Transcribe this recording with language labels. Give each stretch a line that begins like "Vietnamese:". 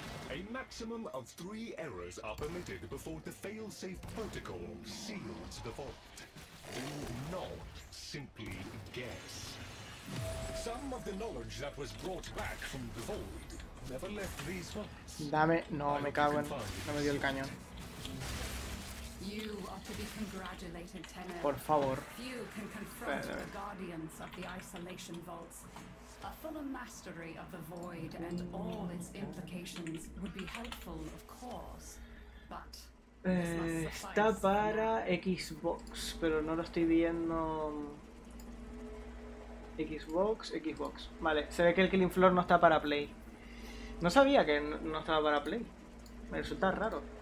English: A maximum of 3 errors are permitted before the failsafe protocol seals the vault. No, simply guess. Some of the knowledge that was brought back from the void never left these vaults.
Spanish: Dame, no, me cago en, no me dio el cañón.
English: You are to be congratulated, Tenno.
Spanish: Por favor.
English: Few can confront the guardians of the isolation vaults. A fuller mastery of the void and all its implications would be helpful, of course, but.
Spanish: Está para Xbox, pero no lo estoy viendo. Xbox. Vale, se ve que el Killing Floor no está para Play. No sabía que no estaba para Play. Me resulta raro.